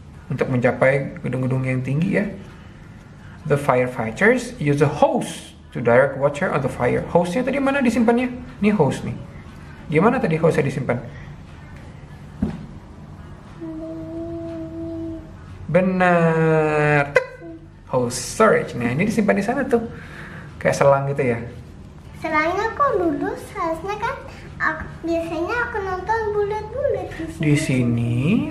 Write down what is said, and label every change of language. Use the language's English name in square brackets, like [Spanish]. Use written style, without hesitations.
[Indonesian] Untuk mencapai gedung-gedung yang tinggi ya. [English] The firefighters use a hose to direct water on the fire. [Indonesian] Hose-nya tadi mana disimpannya? Ini hose nih. Gimana tadi hose-nya disimpan? Benar. Hose storage. Nah, ini disimpan di sana tuh. Kayak selang gitu ya. Selangnya kok dulu seharusnya kan biasanya aku nonton bulat-bulat di sini.